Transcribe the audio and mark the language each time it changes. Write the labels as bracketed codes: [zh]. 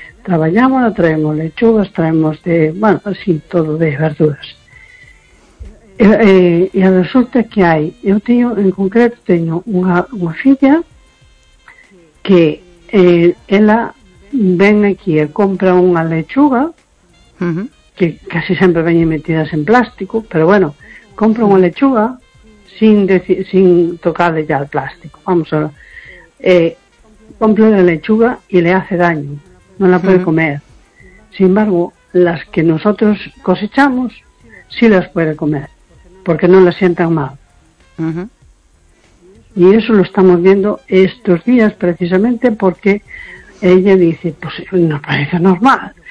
[gl] Traballamos, traemos lechugas, traemos de, bueno, así todo de verduras. E resulta que hai, eu teño en concreto teño unha filla que ela ven aquí e compra unha lechuga que casi sempre veñen metidas en plástico, pero bueno, compra unha lechuga [es] sin tocarle ya el plástico, vamos a ver, compra la lechuga y le hace daño, no la puede comer. Sin embargo, las que nosotros cosechamos sí las puede comer, porque no las sientan mal. Y eso lo estamos viendo estos días precisamente porque ella dice, pues no parece normal.